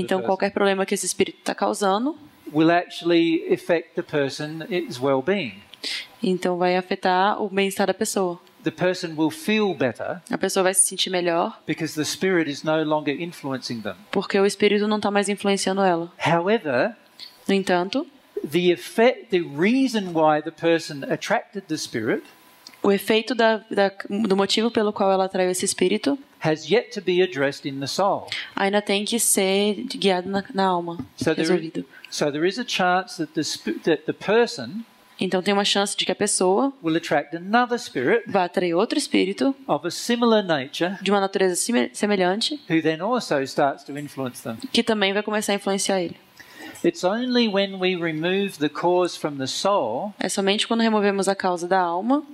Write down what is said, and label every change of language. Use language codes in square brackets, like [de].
[pt] então qualquer problema que esse espírito está causando, [en] will actually affect the person's well-being. [pt] Então vai afetar o bem-estar da pessoa. [en] The person will feel better. [pt] A pessoa vai se sentir melhor. [en] Because the spirit is no longer influencing them. [pt] Porque o espírito não está mais influenciando ela. [en] However, [pt] no entanto, [en] the effect, the reason why the person attracted the spirit, [pt] o efeito do motivo pelo qual ela atraiu esse espírito, [en] has yet to be addressed in the soul. [pt] Ainda tem que ser guiado na alma. Resolvido. [en] So there is a chance that the person. [pt] Então tem uma chance de que a pessoa [en] will attract another spirit, [pt] vá atrair outro espírito [en] of a similar nature, [pt] de uma natureza semelhante, [en] who then also starts to influence them. [pt] Que também vai começar a influenciar ele. [en] It's only when we remove the cause from the soul, [pt] é somente quando removemos a causa da alma,